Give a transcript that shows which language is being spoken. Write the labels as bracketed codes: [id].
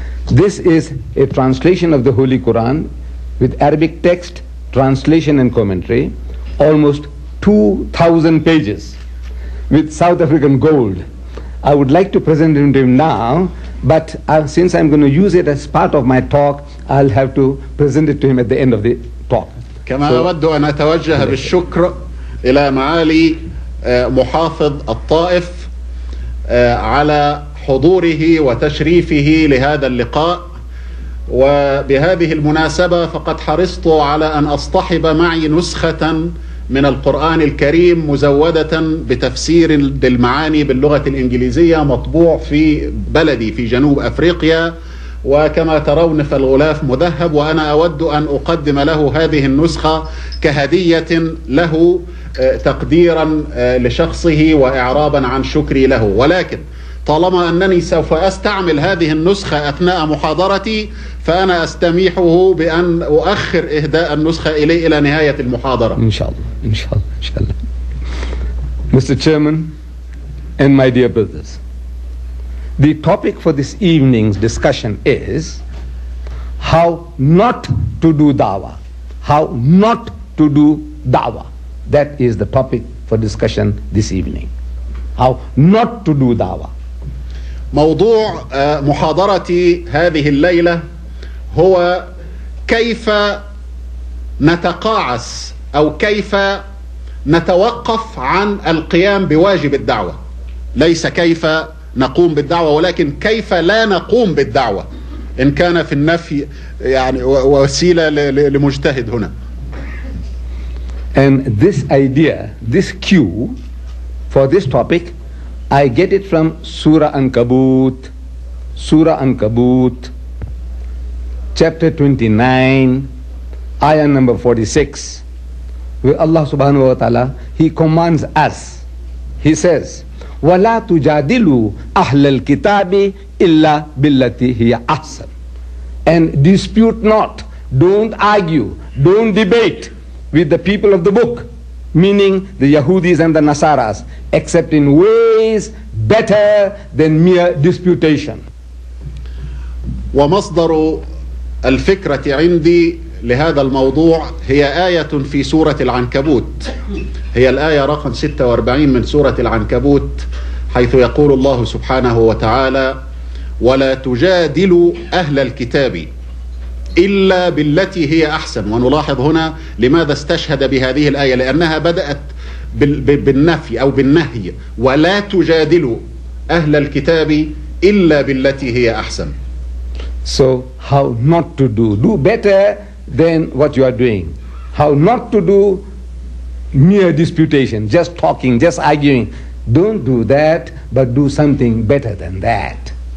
[en] This is a translation of the Holy Quran with Arabic text, translation and commentary, almost 2,000 pages with South African gold. I would like to present it to him now, but since I'm going to use it as part of my talk, I'll have to present it to him at the end of the talk. [ar] كما أود أن أتوجه بالشكر إلى معالي محافظ الطائف على حضوره وتشريفه لهذا اللقاء. وبهذه المناسبة فقد حرصت على أن أصطحب معي نسخة من القرآن الكريم مزودة بتفسير للمعاني باللغة الإنجليزية مطبوع في بلدي في جنوب أفريقيا، وكما ترون فالغلاف مذهب، وأنا أود أن أقدم له هذه النسخة كهدية له تقديرا لشخصه وإعرابا عن شكري له. ولكن طالما أنني سوف أستعمل هذه النسخة أثناء محاضرتي فأنا أستميحه بأن أؤخر إهداء النسخة إلي إلى نهاية المحاضرة. إن شاء الله إن شاء الله إن شاء الله. [en] Mr. Chairman and my dear brothers, the topic for this evening's discussion is how not to do dawah. How not to do dawah. That is the topic for discussion this evening. How not to do dawah. [ar] موضوع محاضرتي هذه الليلة هو كيف نتقاعس أو كيف نتوقف عن القيام بواجب الدعوة، ليس كيف نقوم بالدعوة ولكن كيف لا نقوم بالدعوة، إن كان في النفي يعني وسيلة لمجتهد هنا. [en] And this idea, this cue for this topic, I get it from Surah Ankabut, Surah Ankabut, chapter 29, ayah number 46, where Allah subhanahu wa ta'ala, he commands us, he says, [ar] وَلَا تُجَادِلُوا أَحْلَ الْكِتَابِ إِلَّا بِالَّتِي هِيَ أَحْسَنُ. [en] And dispute not, don't argue, don't debate with the people of the book, meaning the Yahudis and the Nasaras, except in ways better than mere disputation. [ar] ومصدر الفكرة عندي لهذا الموضوع هي آية في سورة العنكبوت، هي الآية رقم 46 من سورة العنكبوت، حيث يقول الله سبحانه وتعالى ولا تجادلوا أهل الكتاب إلا بالتي هي أحسن. ونلاحظ هنا لماذا استشهد بهذه الآية، لأنها بدأت بالنفي أو بالنهي، ولا تجادلوا أهل الكتاب إلا بالتي هي أحسن. [en] So how not to do, do better than what you are doing. How not to do mere disputation, just talking, just arguing. Don't do that, but do something better than that.